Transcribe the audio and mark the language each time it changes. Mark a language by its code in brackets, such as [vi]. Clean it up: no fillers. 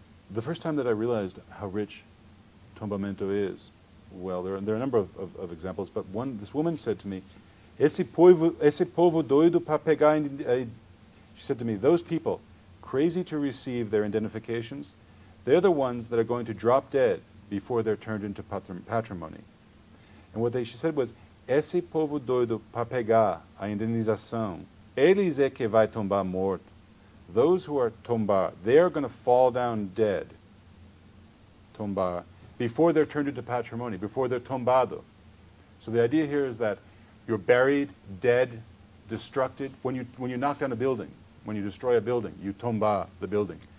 [en] The first time that I realized how rich tombamento is, well, there are a number of examples, but one, this woman said to me, [pt] Esse povo doido para pegar, [en] she said to me, those people, crazy to receive their identifications, they're the ones that are going to drop dead before they're turned into patrimony. And what she said was, [pt] esse povo doido pra pegar a indenização, eles é que vai tombar morto. [en] Those who are tombar, they're going to fall down dead, tombar, before they're turned into patrimony, before they're tombado. So the idea here is that you're buried, dead, destructed. When you knock down a building, when you destroy a building, you tomba the building.